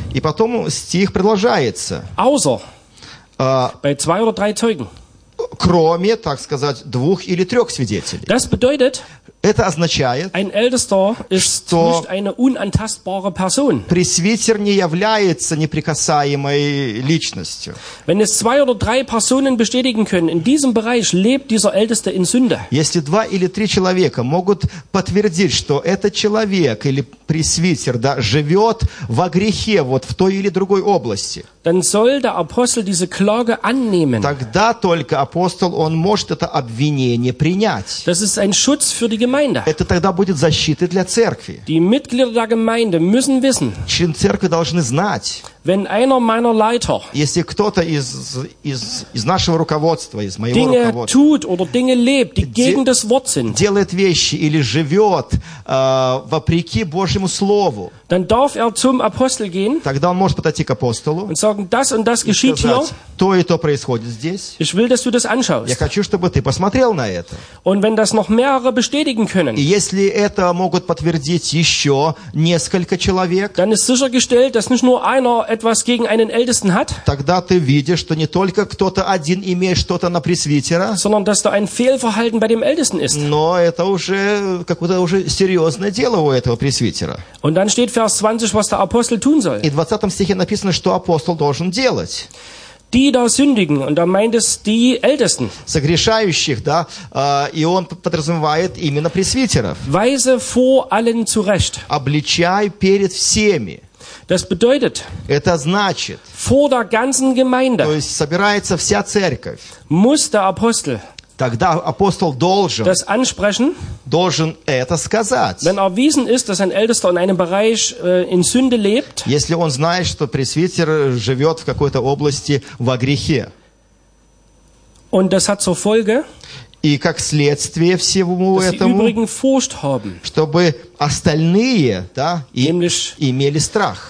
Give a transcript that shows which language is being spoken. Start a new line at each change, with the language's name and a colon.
Russian: И потом стих продолжается.
German: Außer bei zwei oder drei Zeugen.
Russian: Кроме, так сказать, двух или трех свидетелей.
German: Das bedeutet,
Russian: это означает,
German: ein Ältester ist
Russian: что
German: nicht eine unantastbare Person.
Russian: Пресвитер не является неприкасаемой личностью.
German: Wenn es zwei oder drei Personen bestätigen können, in diesem Bereich lebt dieser Älteste in Sünde.
Russian: Если два или три человека могут подтвердить, что этот человек или пресвитер, да, живет во грехе вот в той или другой области,
German: dann soll der Apostel diese Klage annehmen.
Russian: Тогда только апостол, он может это обвинение принять.
German: Das ist ein Schutz für die Gemeinde.
Russian: Это тогда будет защитой для церкви.
German: Die Mitglieder der Gemeinde müssen wissen,
Russian: члены церкви должны знать,
German: wenn einer meiner Leiter,
Russian: если кто-то из нашего руководства, из моего
German: Dinge
Russian: руководства,
German: tut oder Dinge lebt, die gegen das Wort sind,
Russian: делает вещи или живет вопреки Божьему Слову,
German: dann darf er zum Apostel gehen,
Russian: тогда он может подойти к апостолу
German: und sagen, das und das geschieht
Russian: и сказать,
German: hier,
Russian: то и то происходит здесь.
German: Ich will, dass du das anschaust.
Russian: Я хочу, чтобы ты посмотрел на это.
German: Und wenn das noch mehrere bestätigen können,
Russian: и если это могут подтвердить еще несколько человек,
German: dann ist sichergestellt, dass nicht nur einer etwas gegen einen Ältesten hat,
Russian: тогда ты видишь, что не только кто-то один имеет что-то на пресвитера,
German: sondern dass da ein Fehlverhalten bei dem Ältesten ist.
Russian: Но это уже какое-то уже серьезное дело у этого пресвитера.
German: Und dann steht Vers 20, was der Apostel tun soll.
Russian: И в 20 стихе написано, что апостол должен делать.
German: Die da sündigen, und da meint es die Ältesten.
Russian: Согрешающих, да, и он подразумевает именно пресвитеров.
German: Weise vor allen zurecht.
Russian: Обличай перед всеми.
German: Das bedeutet,
Russian: это значит,
German: vor der ganzen Gemeinde,
Russian: то есть собирается вся церковь,
German: muss der Apostel,
Russian: тогда апостол должен,
German: das ansprechen,
Russian: должен это сказать.
German: Wenn erwiesen ist, dass ein Ältester in einem Bereich in Sünde lebt,
Russian: если он знает, что пресвитер живет в какой-то области во грехе,
German: und das hat zur Folge,
Russian: И как следствие всему этому,
German: haben,
Russian: чтобы остальные, да,
German: nämlich,
Russian: имели страх.